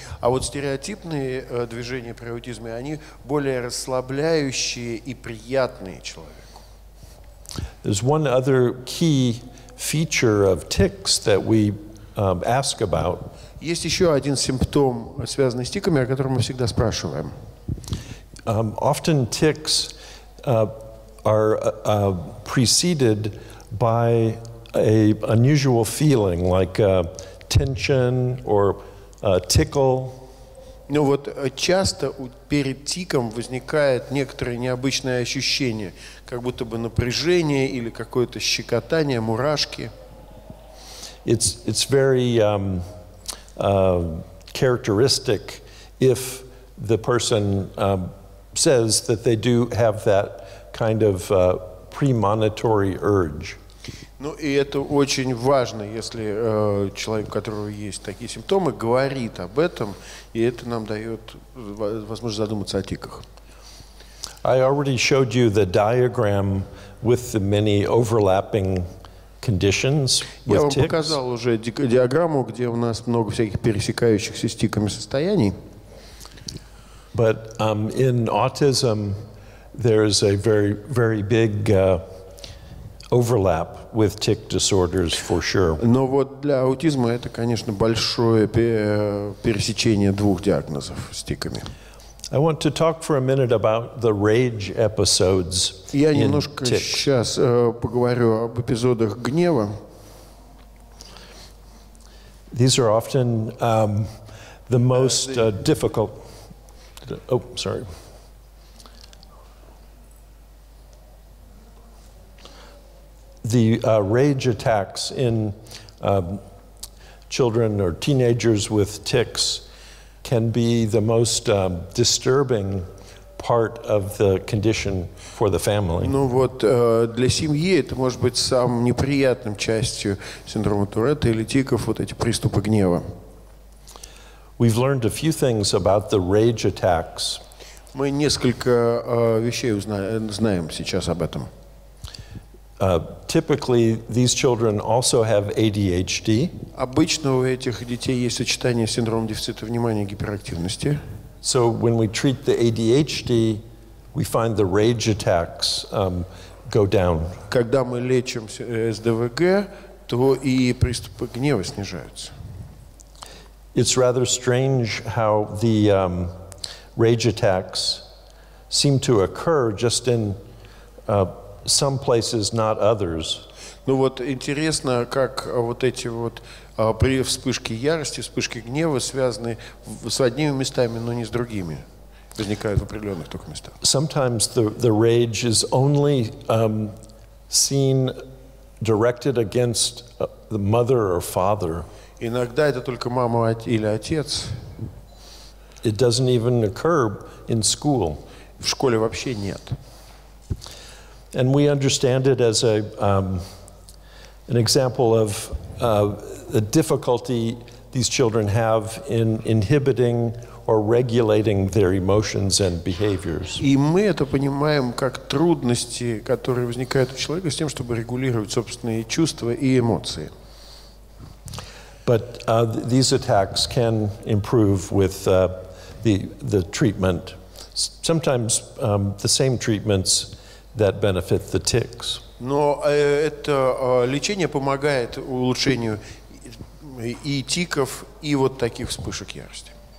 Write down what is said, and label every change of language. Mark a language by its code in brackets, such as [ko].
[ru] А вот стереотипные движения при аутизме, они более расслабляющие и приятные человеку. [en] There's one other key feature of tics that we ask about. [ru] Есть еще один симптом, связанный с тиками, о котором мы всегда спрашиваем. [en] Often tics are preceded by a unusual feeling like tension or tickle. [ru] Ну вот часто перед тиком возникает некоторое необычное ощущение, как будто бы напряжение или какое-то щекотание, мурашки. [en] It's very characteristic if the person says that they do have that kind of premonitory urge. [ru] Ну и это очень важно, если человек, у которого есть такие симптомы, говорит об этом, и это нам дает возможность задуматься о тиках. [en] I already showed you the diagram with the many overlapping conditions with [ru] tics. Я вам показал уже диаграмму, где у нас много всяких пересекающихся с тиками состояний. [en] But in autism there is a very, very big overlap with tic disorders for sure. [ru] Но вот для аутизма это, конечно, большое пересечение двух диагнозов с тиками. [en] I want to talk for a minute about the rage episodes. [ru] Я немножко сейчас поговорю об эпизодах гнева. [en] These are often the most difficult. Oh, sorry. The rage attacks in children or teenagers with tics can be the most disturbing part of the condition for the family. [ru] Ну вот для семьи это может быть самым неприятным частью синдрома Туретта или тиков, вот эти приступы гнева. [en] We've learned a few things about the rage attacks. [ru] Мы несколько вещей знаем сейчас об этом. [en] Typically, these children also have ADHD. [ru] Обычно у этих детей есть сочетание синдрома дефицита внимания и гиперактивности. [en] So when we treat the ADHD, we find the rage attacks go down. [ru] Когда мы лечим СДВГ, то и приступы гнева снижаются. [en] It's rather strange how the rage attacks seem to occur just in some places, not others. [ru] Ну вот интересно, как вот эти вот при вспышке ярости, вспышке гнева связаны с одними местами, но не с другими. Возникают в определенных только местах. [en] Sometimes the rage is only seen directed against the mother or father. [ru] Иногда это только мама или отец. [en] It doesn't even occur in school. [ru] В школе вообще нет. [en] And we understand it as a an example of the difficulty these children have in inhibiting or regulating their emotions and behaviors. [ru] И мы это понимаем как трудности, которые возникают у человека с тем, чтобы регулировать собственные чувства и эмоции. [en] But these attacks can improve with the treatment. Sometimes the same treatments that benefit the tics. [ru] Но это лечение помогает улучшению и тиков, и вот таких вспышек ярости.